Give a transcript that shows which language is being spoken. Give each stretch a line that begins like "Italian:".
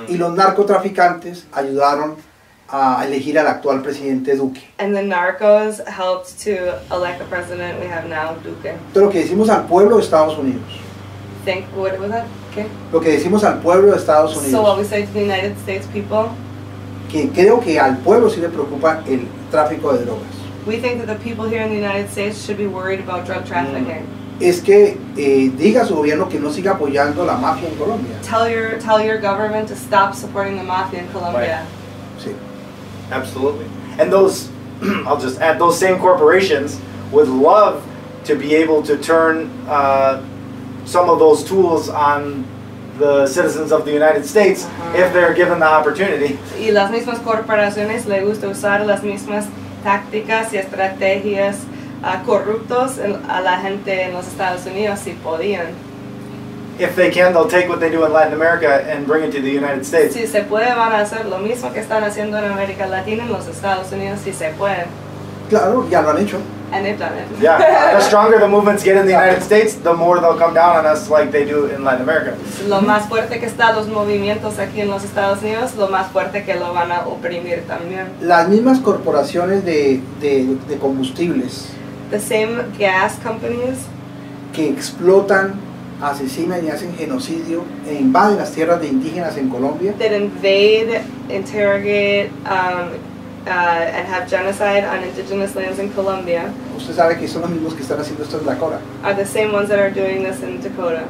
Spanish: Y los narcotraficantes ayudaron a elegir al actual presidente Duque.
English: And the narcos helped to elect the president we have now, Duque.
Spanish: Pero lo que decimos al pueblo de Estados Unidos.
English: Think, what was that? Okay.
Spanish: Lo que decimos al pueblo de Estados Unidos.
English: So what we say to the United States people.
Spanish: Que creo que al pueblo sí le preocupa el tráfico de drogas.
English: We think that the people here in the United States should be worried about drug trafficking.
Spanish: Es que diga a su gobierno que no siga apoyando la mafia en Colombia.
English: Tell your government to stop supporting the mafia in Colombia. Right. Sí. Absolutely. And those, I'll just add, those same corporations would love to be able to turn some of those tools on the citizens of the United States if they're given the opportunity.
Spanish: Y las mismas corporaciones le gusta usar las mismas tácticas y estrategias corruptos a la gente en los Estados Unidos si podían.
English: If they can, they'll take what they do in Latin America and bring it to the United States.
Spanish: Si se puede, van a hacer lo mismo que están haciendo en América Latina en los Estados Unidos si se puede. Claro, ya lo han hecho.
English: And they've done it. Yeah, the stronger the movements get in the United States, the more they'll come down on us like they do in Latin America.
Spanish: Lo más fuerte que están los movimientos aquí en los Estados Unidos, lo más fuerte que lo van a oprimir también. Las mismas corporaciones de combustibles.
English: The same gas companies
Spanish: que explotan, asesinan y hacen genocidio e invaden las tierras de indígenas en Colombia.
English: That invade, interrogate, and have genocide on indigenous lands in Colombia.
Spanish: Usted sabe que son los mismos que están haciendo esto en Dakota.
English: Are the same ones that are doing this in Dakota.